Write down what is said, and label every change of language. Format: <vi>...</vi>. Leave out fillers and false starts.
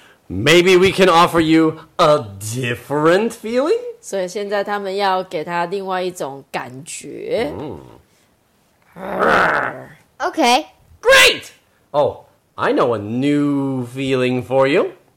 <en>Maybe we can offer you a different feeling?</en> <zh>所以现在他们要给他另外一种感觉。</zh> <en>Okay. Great! Oh, I know a new feeling for you.</en>